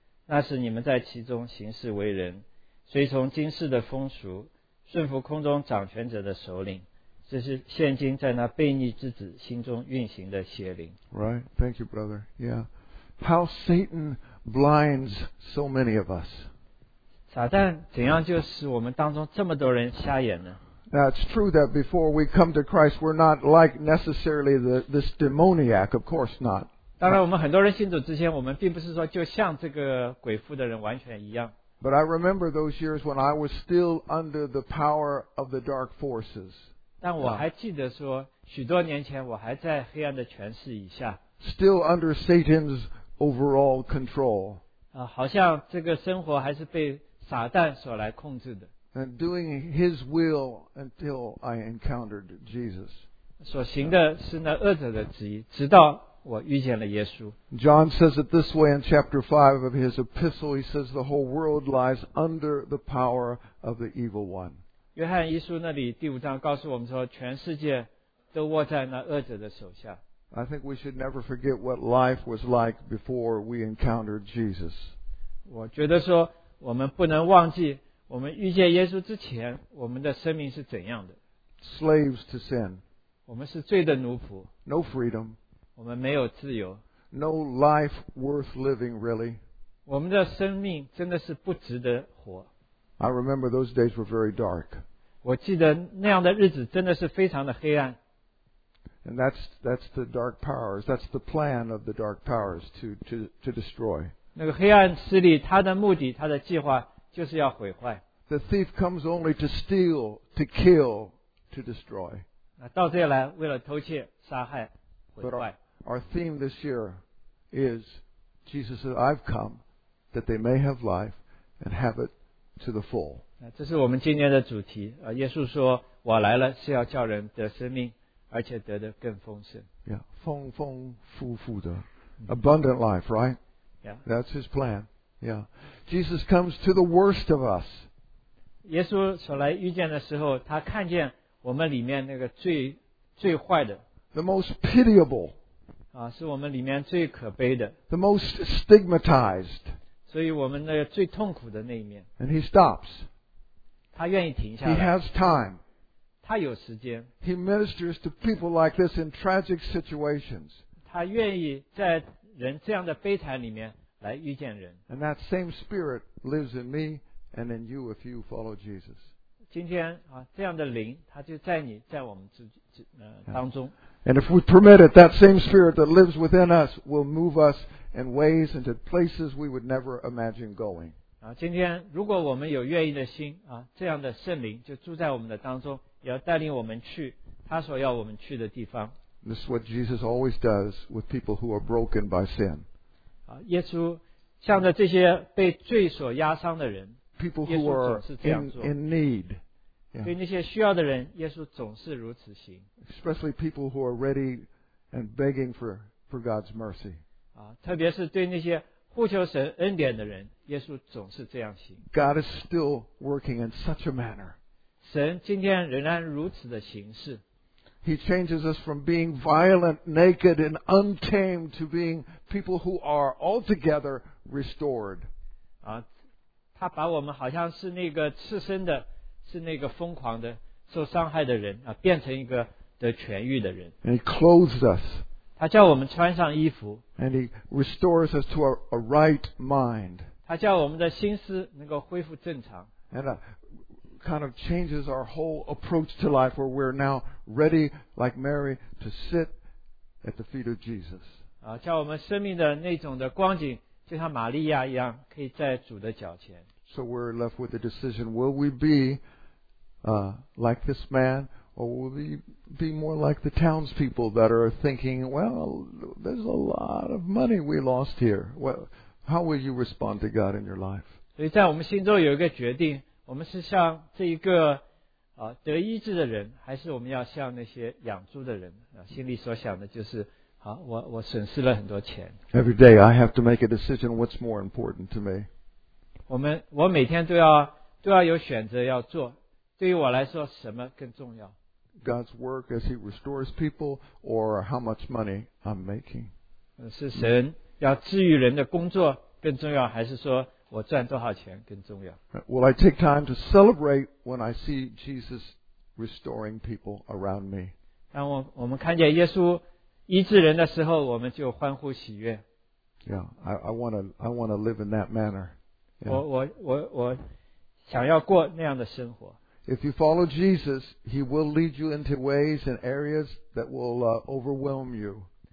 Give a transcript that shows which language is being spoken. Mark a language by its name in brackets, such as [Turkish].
[Chinese] 那时你们在其中行事为人，随从今世的风俗，顺服空中掌权者的首领。这是现今在那悖逆之子心中运行的邪灵。 [English] Right, thank you, brother. Yeah, how Satan blinds so many of us. [Chinese] 撒旦怎样就使我们当中这么多人瞎眼呢？ [English] Now it's true that before we come to Christ, we're not like necessarily this demoniac. Of course not. [Chinese] 当然，我们很多人信主之前，我们并不是说就像这个鬼附的人完全一样。 [English] But I remember those years when I was still under the power of the dark forces. [Chinese] 但我还记得说，许多年前我还在黑暗的权势以下。 [English] Still under Satan's overall control. [Chinese] 好像这个生活还是被撒旦所来控制的。 [English] And doing his will until I encountered Jesus. [Chinese] 所行的是那恶者的旨意，直到我遇见了耶稣。 [English] John says it this way in chapter 5 of his epistle. He says the whole world lies under the power of the evil one. [Chinese] 约翰一书那里第五章告诉我们说，全世界都握在那恶者的手下。 [English] I think we should never forget what life was like before we encountered Jesus. [Chinese] 我觉得说，我们不能忘记我们遇见耶稣之前，我们的生命是怎样的。 [English] Slaves to sin. [Chinese] 我们是罪的奴仆。 [English] No freedom. [Chinese] 我们没有自由。 [English] No life worth living, really. [Chinese] 我们的生命真的是不值得活。 [English] I remember those days were very dark. [Chinese] 我记得那样的日子真的是非常的黑暗。 [English] And that's the dark powers. That's the plan of the dark powers to destroy. [Chinese] 那个黑暗势力，他的目的，他的计划就是要毁坏。 [English] The thief comes only to steal, to kill, to destroy. [Chinese] 那盗贼来，为了偷窃、杀害、毁坏。 [English] Our theme this year is Jesus said, I've come that they may have life and have it to the full. [Chinese] 这是我们今年的主题。耶稣说，我来了是要叫人得生命，而且得的更丰盛。 [English] Yeah, [Chinese] 丰丰富富的 [English] abundant life, right? Yeah. That's his plan. Yeah. Jesus comes to the worst of us. [Chinese] 耶稣所来遇见的时候，他看见我们里面那个最坏的。 [English] The most pitiable. [Chinese] 是我们里面最可悲的。 [English] The most stigmatized. [Chinese] 所以我们的最痛苦的那一面。 [English] And he stops. [Chinese] 他愿意停下来。 [English] He has time. [Chinese] 他有时间。 [English] He ministers to people like this in tragic situations. [Chinese] 他愿意在人这样的悲惨里面来遇见人。 [English] And that same spirit lives in me and in you if you follow Jesus. [Chinese] 今天这样的灵他就在你在我们当中。 [English] And if we permit it, that same spirit that lives within us will move us in ways into places we would never imagine going. [Chinese] 今天如果我们有愿意的心，这样的圣灵就住在我们的当中，也要带领我们去他所要我们去的地方。 [English] This is what Jesus always does with people who are broken by sin. [Chinese] 耶稣向着这些被罪所压伤的人， [English] people who are in need. [Chinese] 对那些需要的人，耶稣总是如此行。 [English] Especially people who are ready and begging for God's mercy. [Chinese] 特别是对那些呼求神恩典的人，耶稣总是这样行。 [English] God is still working in such a manner. [Chinese] 神今天仍然如此的行事。 [English] He changes us from being violent, naked, and untamed to being people who are altogether restored. [Chinese] 他把我们好像是那个赤身的。是那个疯狂的受伤害的人变成一个得痊愈的人。 [English] And he clothes us. [Chinese] 他叫我们穿上衣服。 [English] And he restores us to a right mind. [Chinese] 他叫我们的心思能够恢复正常。 [English] And kind of changes our whole approach to life where we're now ready, like Mary, to sit at the feet of Jesus. [Chinese] 叫我们生命的那种的光景就像玛利亚一样可以在主的脚前。 [English] So we're left with the decision, will we be like this man or will we be more like the townspeople that are thinking, well, there's a lot of money we lost here. Well, how will you respond to God in your life? [Chinese] 所以在我们心中有一个决定，我们是像这一个得医治的人，还是我们要像那些养猪的人，心里所想的就是，我损失了很多钱。 [English] Every day I have to make a decision what's more important to me. [Chinese] 我每天都要有选择要做，对于我来说什么更重要？ [English] God's work as he restores people or how much money I'm making. [Chinese] 是神要治愈人的工作更重要，还是说我赚多少钱更重要？ [English] Will I take time to celebrate when I see Jesus restoring people around me? [Chinese] 当我们看见耶稣医治人的时候，我们就欢呼喜悦。 [English] Yeah, I want to live in that manner. Yeah. [Chinese] 我想要过那样的生活。 [English] If you follow Jesus, he will lead you into ways and areas that will overwhelm you.